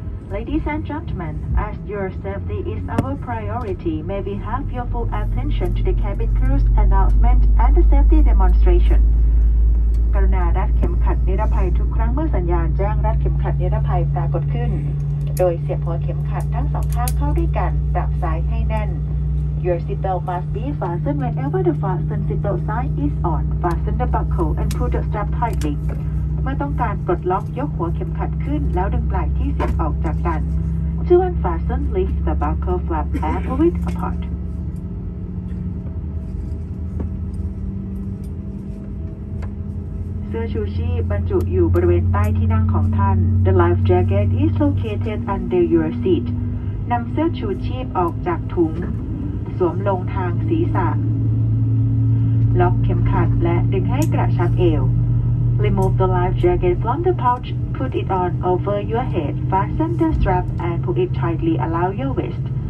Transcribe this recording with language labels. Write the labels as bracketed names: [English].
[English] Ladies and gentlemen, as your safety is our priority, may we have your full attention to the cabin crew's announcement and the safety demonstration. [Thai] กรุณารัดเข็มขัดนิรภัยทุกครั้งเมื่อสัญญาณแจ้งรัดเข็มขัดนิรภัยปรากฏขึ้นโดยเสียบหัวเข็มขัดทั้งสองข้างเข้าด้วยกันดับสายให้แน่น [English] Your seatbelt must be fastened whenever the fasten seatbelt sign is on. Fasten the buckle and pull the strap tightly. [Thai] เมื่อต้องการปลดล็อกยกหัวเข็มขัดขึ้นแล้วดึงปลายที่เสียบออกจากกันช่วยฟาสเซนลิฟต์ [English] the buckle flap and pull it apart [Thai] เสื้อชูชีพบรรจุอยู่บริเวณใต้ที่นั่งของท่าน [English] The life jacket is located under your seat [Thai] นำเสื้อชูชีพออกจากถุงสวมลงทางศีรษะล็อกเข็มขัดและดึงให้กระชับเอว [English] Remove the life jacket from the pouch, put it on over your head, fasten the strap and pull it tightly around your waist.